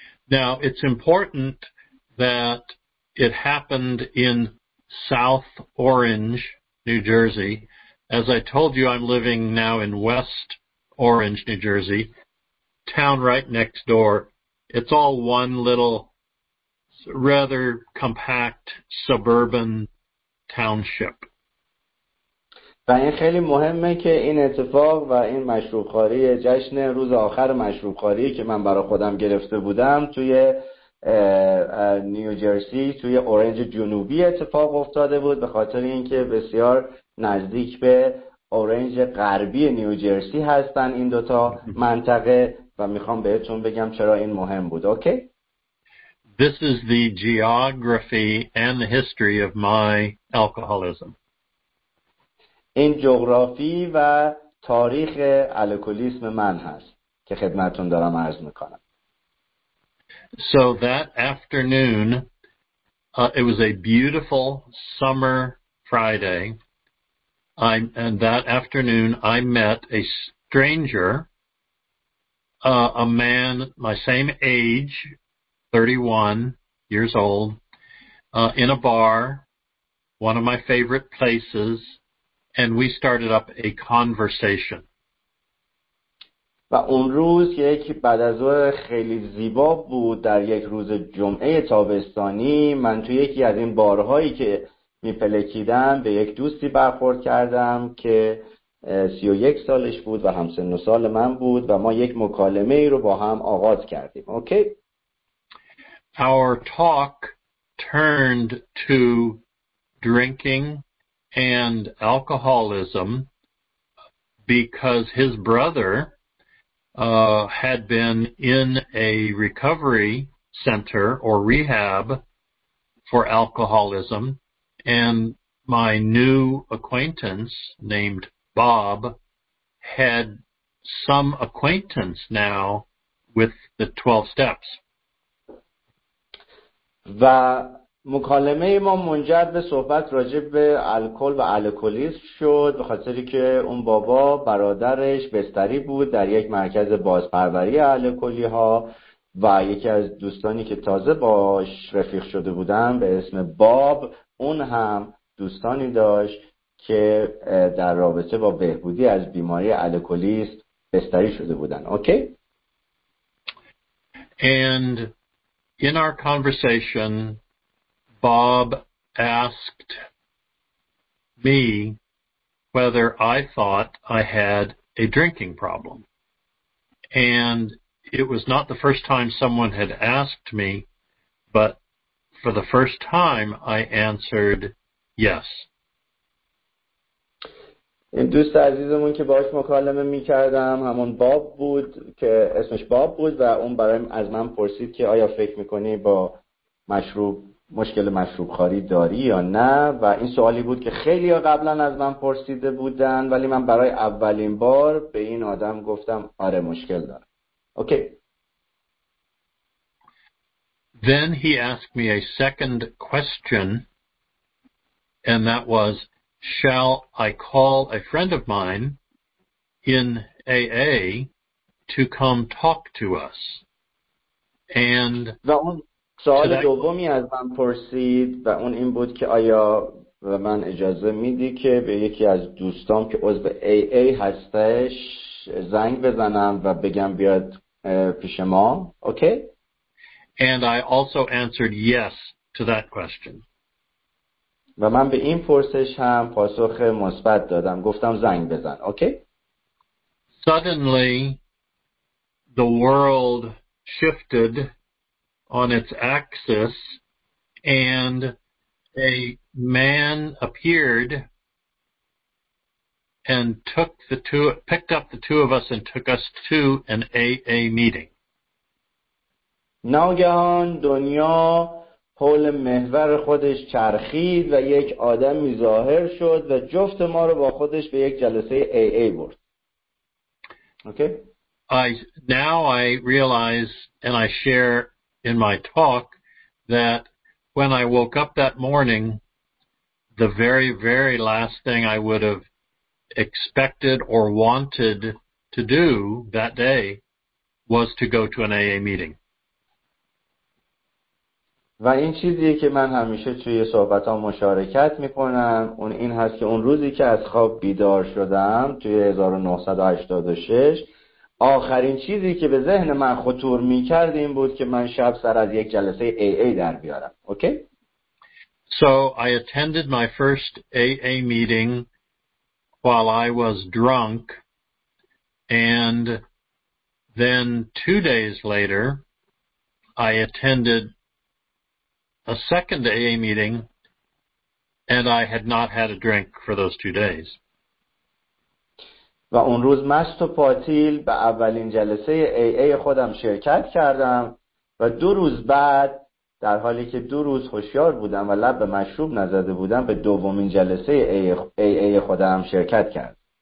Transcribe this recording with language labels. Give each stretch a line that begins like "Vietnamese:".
English: Now it's important that it happened in South Orange, New Jersey. As I told you, I'm living now in West Orange, New Jersey, town right next door. It's all one little rather compact suburban township.
Persian: و این خیلی مهمه که این اتفاق و این مشروبخواری جشن روز آخر مشروبخواری که من برای خودم گرفته بودم توی نیوجرسی توی اورنج جنوبی اتفاق افتاده بود به خاطر اینکه بسیار نزدیک به اورنج غربی نیوجرسی هستن این دوتا منطقه و میخوام بهتون بگم چرا این مهم بود.
English: Okay? This is the geography and the history of my alcoholism.
Persian: این جغرافی و تاریخ الکلیسم من هست که خدمتون دارم عرض میکنم.
English: So that afternoon, it was a beautiful summer Friday. And that afternoon, I met a stranger, a man my same age, 31 years old, in a bar, one of my favorite places. And we started up a conversation.
Persian: و اون روز یک بعد از ظهر خیلی زیبا بود در یک روز جمعه تابستانی من توی یکی از این بارهایی که میپلکیدم به یک دوستی برخورد کردم که 31 سالش بود و همسن و سال من بود و ما یک مکالمه رو با هم آغاز کردیم.
English: Okay? Our talk turned to drinking and alcoholism because his brother had been in a recovery center or rehab for alcoholism, and my new acquaintance named Bob had some acquaintance now with the 12 steps.
Persian: و مکالمه ما منجر به صحبت راجع به الکل و الکلیسم شد، به خاطری که اون بابا برادرش بستری بود در یک مرکز بازپروری الکلی ها و یکی از دوستانی که تازه باش رفیق شده بودن به اسم باب، اون هم دوستانی داشت که در رابطه با بهبودی از بیماری الکلیسم بستری شده بودن.
English: Okay? And in our conversation, Bob asked me whether I thought I had a drinking problem. And it was not the first time someone had asked me, but for the first time I answered yes.
Persian: این دوست عزیزمون که باهاش مکالمه می‌کردم همون باب بود که اسمش باب بود و اون برای از من پرسید که آیا فکر می‌کنی با مشروب مشکل مشروب خاری داری یا نه، و این سوالی بود که خیلی ها قبلا از من پرسیده بودن، ولی من برای اولین بار به این آدم گفتم آره مشکل دارم.
English: Okay. Then he asked me a second question and that was, shall I call a friend of mine in AA to come talk to us? And
Persian: سوال دومی از من پرسید و اون این بود که آیا به من اجازه میدی که به یکی از دوستام که عضو AA هستش زنگ بزنم و بگم بیاد پیش ما؟ اوکی؟
English: And I also answered yes to that question.
Persian: و من به این پرسش هم پاسخ مثبت دادم، گفتم زنگ بزن.
English: Okay? Suddenly the world shifted on its axis and a man appeared and picked up the two of us and took us to an AA meeting.
Persian: ناگهان دنیا حول محور خودش چرخید و یک آدمی ظاهر شد و جفت ما رو با خودش به یک جلسه AA برد.
English: Okay? I realize and I share in my talk that when I woke up that morning, the very, very last thing I would have expected or wanted to do that day was to go to an AA meeting.
Persian: و این چیزی که من همیشه توی صحبت‌ها مشارکت می‌کنم اون این هست که اون روزی که از خواب بیدار شدم توی 1986 آخرین چیزی که به ذهن من خطور می‌کرد این بود که من شب سر از یک جلسه AA در بیارم.
English: Okay? So I attended my first AA meeting while I was drunk and then 2 days later I attended a second AA meeting and I had not had a drink for those 2 days.
Persian: و اون روز مست و پاتیل به اولین جلسه AA خودم شرکت کردم و 2 روز بعد در حالی که 2 روز هوشیار بودم و لب به مشروب نزده بودم به دومین جلسه AA خودم شرکت کردم.